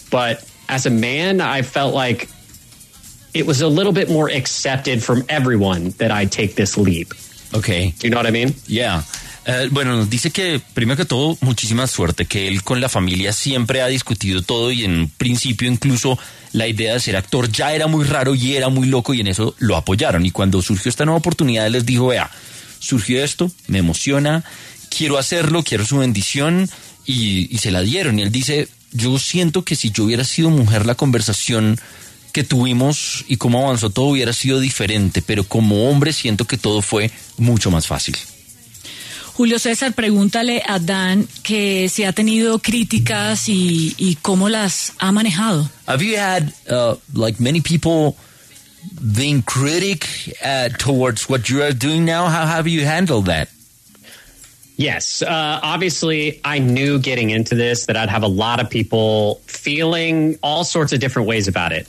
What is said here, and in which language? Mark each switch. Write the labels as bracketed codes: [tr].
[en] But as a man, I felt like it was a little bit more accepted from everyone that I take this leap. Okay. Do you know what I mean? Yeah. [es] Bueno, nos dice que, primero que todo, muchísima suerte, que él con la familia siempre ha discutido todo y en principio incluso la idea de ser actor ya era muy raro y era muy loco y en eso lo apoyaron. Y cuando surgió esta nueva oportunidad, él les dijo, vea, surgió esto, me emociona, quiero hacerlo, quiero su bendición, y se la dieron. Y él dice, yo siento que si yo hubiera sido mujer, la conversación que tuvimos y cómo avanzó todo hubiera sido diferente, pero como hombre siento que todo fue mucho más fácil. Julio César, pregúntale a Dan que si ha tenido críticas y cómo las ha manejado. [en] Have you had, many people being critic towards what you are doing now? How have you handled that? Yes, obviously, I knew getting into this that I'd have a lot of people feeling all sorts of different ways about it.